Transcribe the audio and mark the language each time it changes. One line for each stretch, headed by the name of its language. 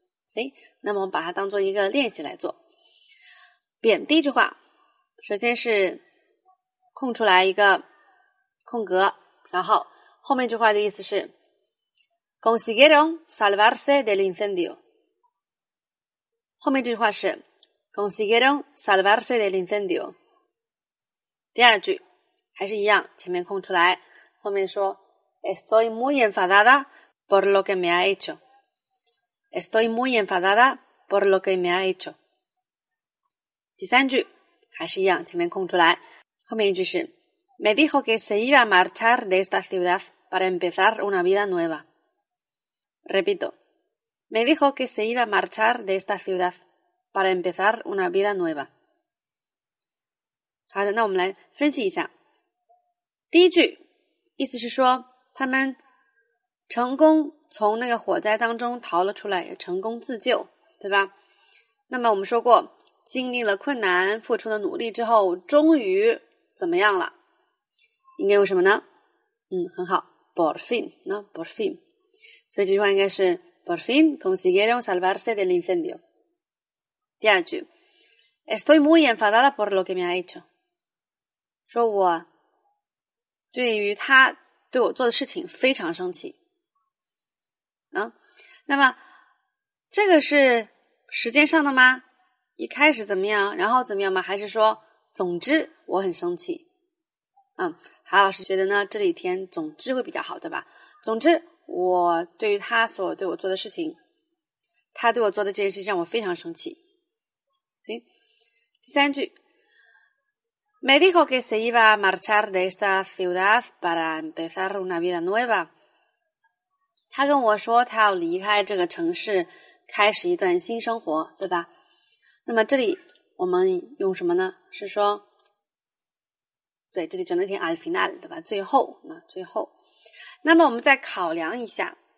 Chinese: 行，那么我们把它当做一个练习来做。点第一句话，首先是空出来一个空格，然后后面句话的意思是
Spanish: consiguieron salvarse del incendio。
Chinese: 后面这句话是
Spanish: consiguieron salvarse del incendio。
Chinese: 第二句还是一样，前面空出来，后面说
Spanish: Estoy muy enfadada por lo que me ha hecho. Estoy muy enfadada por lo que me ha hecho.
Chinese: 第三句还是一样，前面空出来，后面一句是
Spanish: Me dijo que se iba a marchar de esta ciudad para empezar una vida nueva. Repito. Me dijo que se iba a marchar de esta ciudad para empezar una vida nueva.
Chinese: 好的，那我们来分析一下。第一句意思是说，他们成功从那个火灾当中逃了出来，也成功自救，对吧？那么我们说过，经历了困难，付出了努力之后，终于怎么样了？应该用什么呢？嗯，很好 ，por fin， 那 por fin， 所以这句话应该是
Spanish: por fin consiguieron salvarse del incendio。
Chinese: 第二句
Spanish: ，Estoy muy enfadada por lo que me ha hecho。
Chinese: 说我。对于他对我做的事情非常生气，嗯，那么这个是时间上的吗？一开始怎么样，然后怎么样吗？还是说，总之我很生气？嗯，海老师觉得呢，这里填总之会比较好，对吧？总之，我对于他所对我做的事情，他对我做的这件事让我非常生气。行，第三句。
Spanish: Me dijo que se iba a marchar de esta ciudad para empezar una vida nueva.
Chinese: 他跟我说他要离开这个城市，开始一段新生活，对吧？那么这里我们用什么呢？是说，对，这里只能填 al final， 对吧？最后，那最后。那么我们再考量一下，